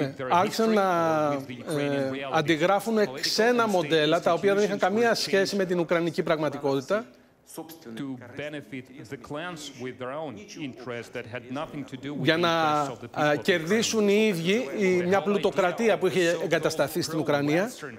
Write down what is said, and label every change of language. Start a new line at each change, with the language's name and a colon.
Greek: Άρχισαν να αντιγράφουν ξένα μοντέλα, τα οποία δεν είχαν καμία σχέση με την ουκρανική πραγματικότητα.
English: To benefit the clans with their own interests that had nothing to do with the interests of the people.
Greek: Για να κερδίσουν οι ίδιοι μια πλουτοκρατία που είχε εγκατασταθεί στην Ουκρανία.